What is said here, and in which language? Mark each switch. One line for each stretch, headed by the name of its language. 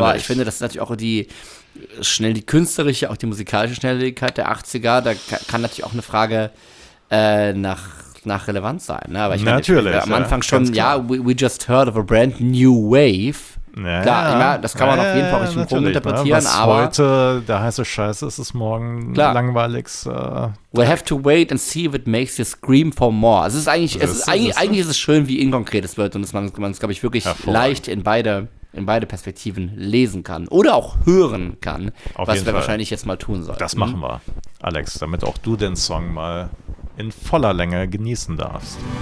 German: Aber ich finde, das ist natürlich auch die künstlerische, auch die musikalische Schnelllebigkeit der 80er, da kann natürlich auch eine Frage nach Relevanz sein. Ne? Aber ich natürlich. Meine, am Anfang schon,
English: we just heard of a brand new wave.
German: Ja, klar, immer, das kann man auf jeden Fall richtig interpretieren. Ne? Aber heute der heiße Scheiß ist, es morgen langweilig.
English: We have to wait and see if it makes you scream for more.
German: Also es ist eigentlich schön, wie inkonkret es wird und dass man es, glaube ich, wirklich leicht in beide Perspektiven lesen kann oder auch hören kann, auf was wir Fall wahrscheinlich jetzt mal tun sollten. Das machen wir, Alex, damit auch du den Song mal in voller Länge genießen darfst.